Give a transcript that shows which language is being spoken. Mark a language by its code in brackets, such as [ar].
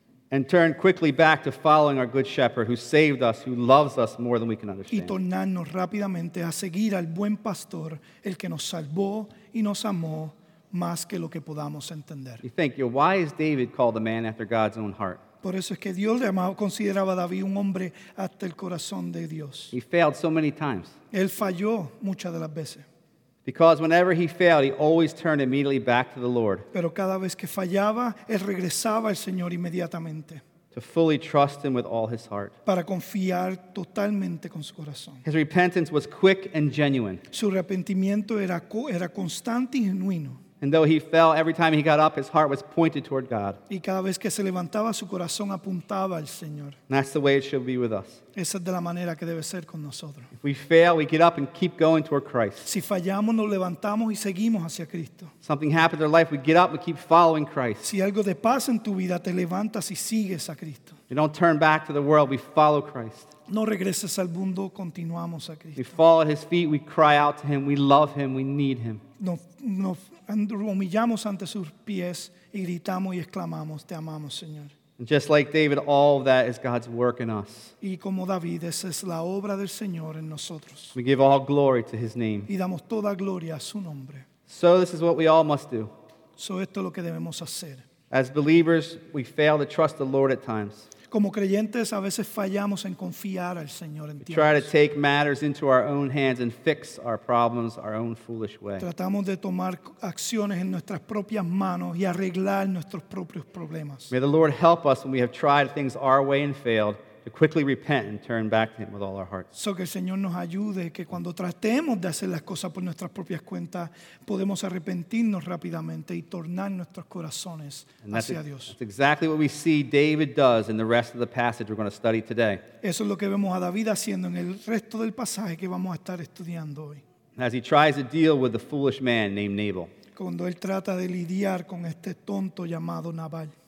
[en] And turn quickly back to following our good shepherd who saved us, who loves us more than we can understand. [es] Y tornarnos rápidamente a seguir al buen pastor, el que nos salvó y nos amó más que lo que podamos entender. [en] You think, why is David called a man after God's own heart? [es] Por eso es que Dios llamaba, consideraba a David un hombre hasta el corazón de Dios. [en] He failed so many times. [es] Él falló muchas de las veces. [en] Because whenever he failed, he always turned immediately back to the Lord. [es] Pero cada vez que fallaba, él regresaba al Señor inmediatamente. [en] To fully trust Him with all his heart. [es] Para confiar totalmente con su corazón. [en] His repentance was quick and genuine. [es] Su arrepentimiento era constante y genuino. [en] And though he fell, every time he got up, his heart was pointed toward God. [es] Y cada vez que se levantaba, su corazón apuntaba al Señor. [en] And that's the way it should be with us. [es] Esa es de la manera que debe ser con nosotros. [en] If we fail, we get up and keep going toward Christ. [es] Si fallamos, nos levantamos y seguimos hacia Cristo. [en] Something happens in our life, we get up and keep following Christ. [es] Si algo te pasa en tu vida, te levantas y sigues a Cristo. [en] We don't turn back to the world, we follow Christ. [es] No regreses al mundo, continuamos a Cristo. [en] We fall at His feet, we cry out to Him, we love Him, we need Him. [es] Nos humillamos ante sus pies y gritamos y exclamamos, te amamos, Señor. [en] And just like David, all of that is God's work in us. [es] Y como David, esa es la obra del Señor en nosotros. [en] We give all glory to his name. [es] Y damos toda gloria a su nombre. [en] So this is what we all must do. [es] So esto es lo que debemos hacer. [en] As believers, we fail to trust the Lord at times. [es] Como creyentes, a veces fallamos en confiar al Señor en tiempos. [en] Try to take matters into our own hands and fix our problems our own foolish way. [es] Tratamos de tomar acciones en nuestras propias manos y arreglar nuestros propios problemas. [en] May the Lord help us when we have tried things our way and failed to quickly repent and turn back to him with all our hearts. [es] So que el Señor nos ayude que cuando tratemos de hacer las cosas por nuestras propias cuentas, podemos arrepentirnos rápidamente y tornar nuestros corazones hacia Dios. [en] That's exactly what we see David does in the rest of the passage we're going to study today. [es] Eso es lo que vemos a David haciendo en el resto del pasaje que vamos a estar estudiando hoy. [en] As he tries to deal with the foolish man named Nabal. [es] Cuando él trata de lidiar con este tonto llamado Nabal.